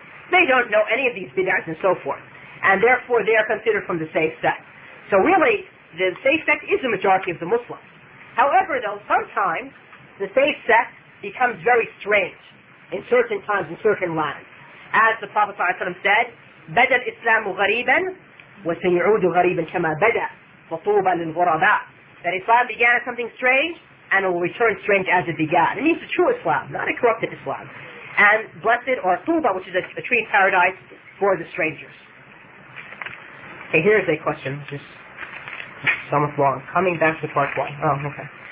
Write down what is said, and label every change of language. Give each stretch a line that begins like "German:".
English: They don't know any of these bid'ahs and so forth, and therefore they are considered from the same sect. So really, the same sect is the majority of the Muslims. However, though, sometimes the same sect becomes very strange in certain times, in certain lands. As the Prophet ﷺ said,
Arabic: بَدَى الْإِسْلَامُ غَرِيبًا وَسَيْعُودُ غَرِيبًا كَمَا بَدَى فَطُوبًا لِلْغُرَبَى.
English: That Islam began as something strange, and it will return strange as it began. It means a true Islam, not a corrupted Islam. And blessed, or Tuba, which is a tree of paradise for the strangers. Okay, here's a question. This is almost long. Coming back to part one. Oh, okay.